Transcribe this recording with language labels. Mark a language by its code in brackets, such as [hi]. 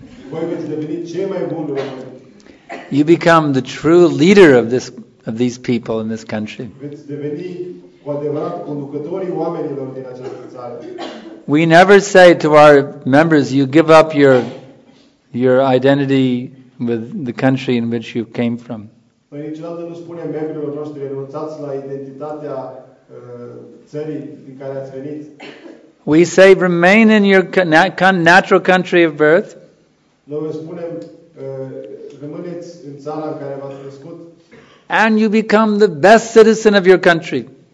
[ro] Voi veți deveni cel mai bun român. [en] You become the true leader of these people in this country. [ro] Veți deveni cu adevărat conducătorii oamenilor din această țară. [en] We never say to our members, you give up your identity with the country in which you came from. [ro] Păi niciodată nu spunem membrilor noștri, renunțați la identitatea țării din care ați venit. [en] We say remain in your natural country of birth. [ro] Noi spunem, rămâneți în țara în care v-ați născut. [en] And you become the best citizen of your country.